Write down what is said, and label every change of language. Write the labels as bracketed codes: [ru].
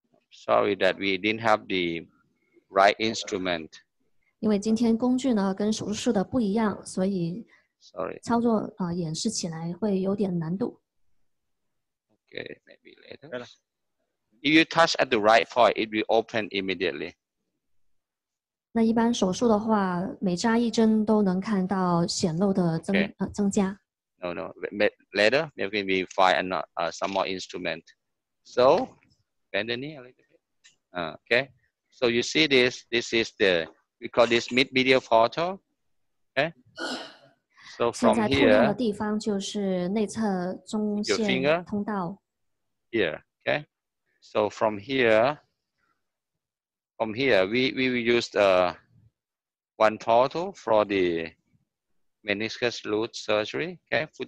[en] Sorry that we didn't have the right instrument. [zh] 因为今天工具呢跟手术室的不一样，所以 [en] sorry [zh] 操作演示起来会有点难度。 [en] Okay, maybe later. If you touch at the right point, it will open immediately. [zh] 那一般手术的话，每扎一针都能看到显露的增加。 [en] No, no. Later, maybe we find another some more instrument. So, bend the knee a little bit. Okay. So you see this? This is the we call this mid medial portal. Okay. So from here. [zh] 现在通道的地方就是内侧中线通道。 [en] Here. Okay. So from here, we will use one portal for the meniscus root surgery. Okay, put your finger.